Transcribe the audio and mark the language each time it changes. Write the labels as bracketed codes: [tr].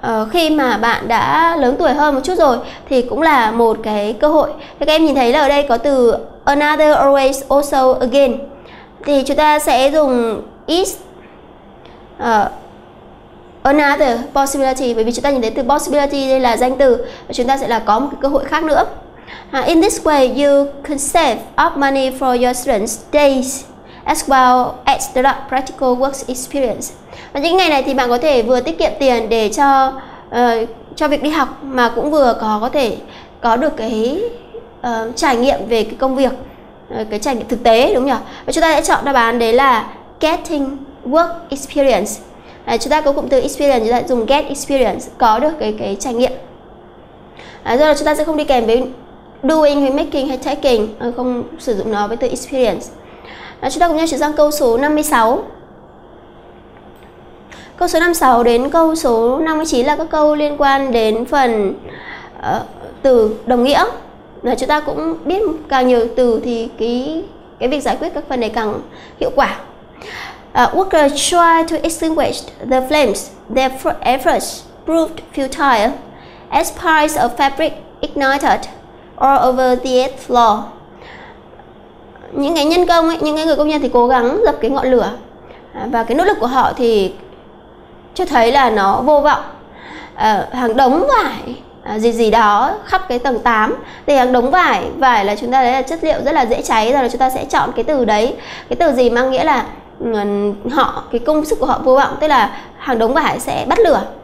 [vi] Khi mà bạn đã lớn tuổi hơn một chút rồi thì cũng là một cái cơ hội. Thì các em nhìn thấy là ở đây có từ another, always, also, again. Thì chúng ta sẽ dùng [en] is another possibility, [vi] bởi vì chúng ta nhìn thấy từ possibility đây là danh từ và chúng ta sẽ là có một cái cơ hội khác nữa. [en] In this way, you can save up money for your students' days as well as the practical work experience. [vi] Và những ngày này thì bạn có thể vừa tiết kiệm tiền để cho việc đi học mà cũng vừa có thể có được cái trải nghiệm về cái công việc, cái trải nghiệm thực tế, đúng không nhỉ? Và chúng ta sẽ chọn đáp án đấy là [en] getting work experience. [vi] Chúng ta có cụm từ experience, chúng ta dùng [en] get experience, [vi] có được cái trải nghiệm. Do đó chúng ta sẽ không đi kèm với doing, hay making, hay taking, không sử dụng nó với từ experience. Chúng ta cùng nhau chuyển sang câu số 56. Câu số 56 đến câu số 59 là các câu liên quan đến phần từ đồng nghĩa. Là chúng ta cũng biết càng nhiều từ thì cái việc giải quyết các phần này càng hiệu quả. [en] Workers tried to extinguish the flames. Their efforts proved futile as piles of fabric ignited all over the eighth floor. [vi] Những cái nhân công ấy, những cái người công nhân thì cố gắng dập cái ngọn lửa và cái nỗ lực của họ thì cho thấy là nó vô vọng. Hàng đống vải gì đó khắp cái tầng 8. Thì hàng đống vải là chúng ta thấy là chất liệu rất là dễ cháy, rồi là chúng ta sẽ chọn cái từ đấy, cái từ gì mang nghĩa là họ, cái công sức của họ vô vọng, tức là hàng đống vải sẽ bắt lửa.